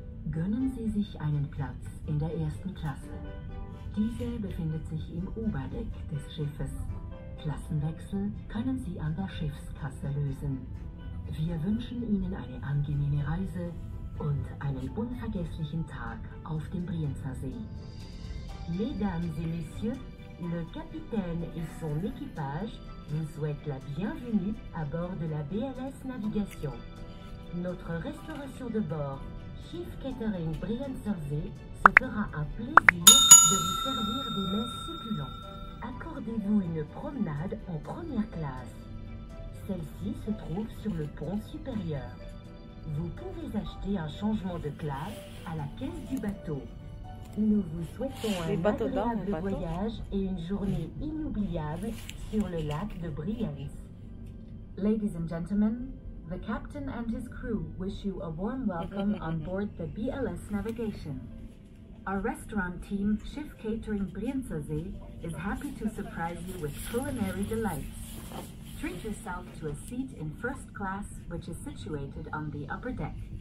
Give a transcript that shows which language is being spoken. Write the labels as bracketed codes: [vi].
[de] Gönnen Sie sich einen Platz in der ersten Klasse. Diese befindet sich im Oberdeck des Schiffes. Klassenwechsel können Sie an der Schiffskasse lösen. Wir wünschen Ihnen eine angenehme Reise und einen unvergesslichen Tag auf dem Brienzersee. [fr] Mesdames et Messieurs, le capitaine et son équipage vous souhaitent la bienvenue à bord de la BLS Navigation. Notre restauration de bord, Chief Catering Brienzersee, se fera un plaisir de vous servir des mets succulents. Accordez-vous une promenade en première classe. Celle-ci se trouve sur le pont supérieur. Vous pouvez acheter un changement de classe à la caisse du bateau. Nous vous souhaitons un agréable voyage et une journée inoubliable sur le lac de Brienz. [en] Ladies and gentlemen, the captain and his crew wish you a warm welcome on board the BLS Navigation. Our restaurant team, Schiff Catering Brienzersee, is happy to surprise you with culinary delights. Treat yourself to a seat in first class, which is situated on the upper deck.